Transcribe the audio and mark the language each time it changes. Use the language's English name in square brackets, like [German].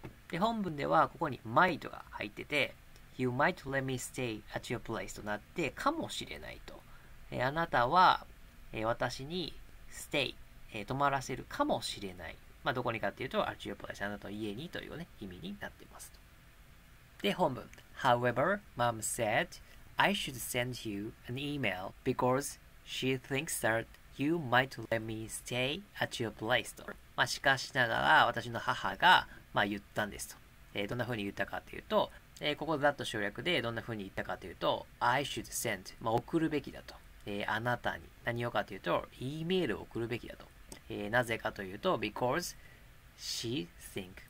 [Japanese] で、本文では、ここに might が入ってて、 [English] You might let me stay at your place [Japanese] となって、かもしれないと。あなたは、私に stay、泊まらせるかもしれない。どこにかっていうと、アチオプラシアナと家にという、意味になっていますと。で、本文。 [English] However, mom said I should send you an email because she thinks that you might let me stay at your place と。 [Japanese] しかしながら、私の母が、言ったんですと。どんな風に言ったかっていうと、ここでざっと省略でどんな風に言ったかというと、 [English] I should send、 [Japanese] 送るべきだと。あなたに。何をかというと、E メールを送るべきだと。なぜかというと、 [English] because she think。